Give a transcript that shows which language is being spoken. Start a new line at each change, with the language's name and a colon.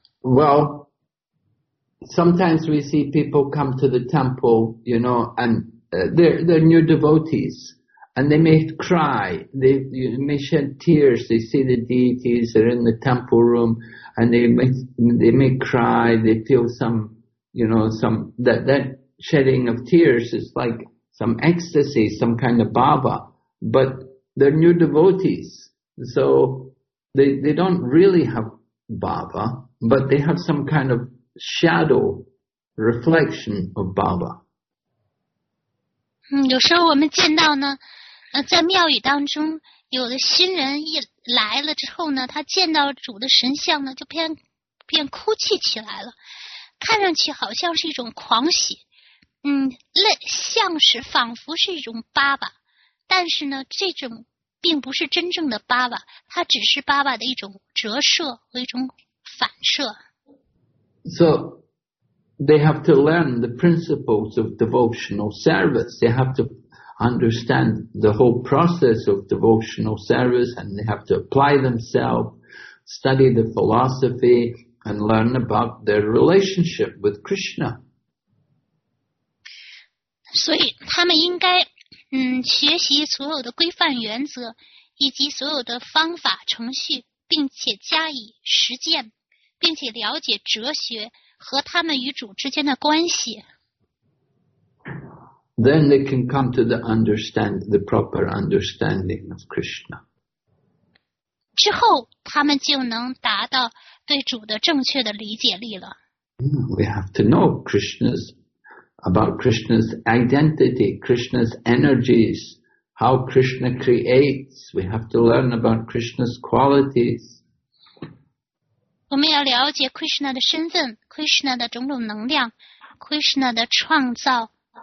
English: Well, sometimes we see people come to the temple, you know, and they're new devotees, and they may cry, they may shed tears, they see the deities are in the temple room, and they may cry, they feel some, you know, some, that shedding of tears is like some ecstasy, some kind of bhava, but they're new devotees, so they don't really have Baba, but they have some kind of shadow reflection of Baba.
Chinese: 有时候我们见到呢，在庙宇当中，有的新人一来了之后呢，他见到主的神像呢，就便哭泣起来了，看上去好像是一种狂喜，类像是仿佛是一种巴巴，但是呢，这种并不是真正的巴巴，它只是巴巴的一种折射和一种反射。
English: So they have to learn the principles of devotional service. They have to understand the whole process of devotional service, and they have to apply themselves, study the philosophy. And learn about their relationship with Krishna.
Chinese: 所以他们应该学习所有的规范原则以及所有的方法程序，并且加以实践，并且了解哲学和他们与主之间的关系。
English: Then they can come to the proper understanding of Krishna.
Chinese: 之后他们就能达到对主的正确的理解力了。
English: We have to know Krishna's, about Krishna's identity, Krishna's energies, how Krishna creates. We have to learn about Krishna's qualities.
Chinese: 我们要了解 Krishna 的身份， Krishna 的种种能量， Krishna 的创造。